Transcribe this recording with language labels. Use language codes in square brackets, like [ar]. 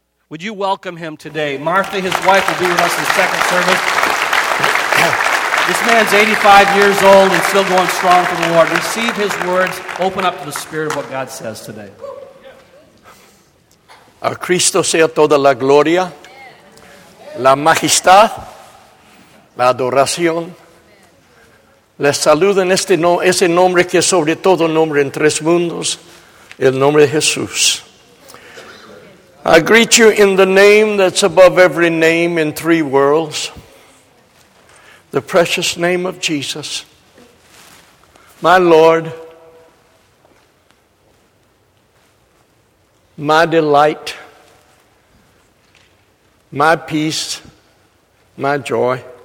[en] Would you welcome him today? Martha, his wife, will be with us in second service. This man's 85 years old and still going strong for the Lord. Receive his words. Open up to the spirit of what God says today. [es] A Cristo sea toda la gloria, la majestad, la adoración. Les saludo en este ese nombre que es sobre todo nombre en tres mundos, el nombre de Jesús. [en] I greet you in the name that's above every name in three worlds, the precious name of Jesus, my Lord, my delight, my peace, my joy.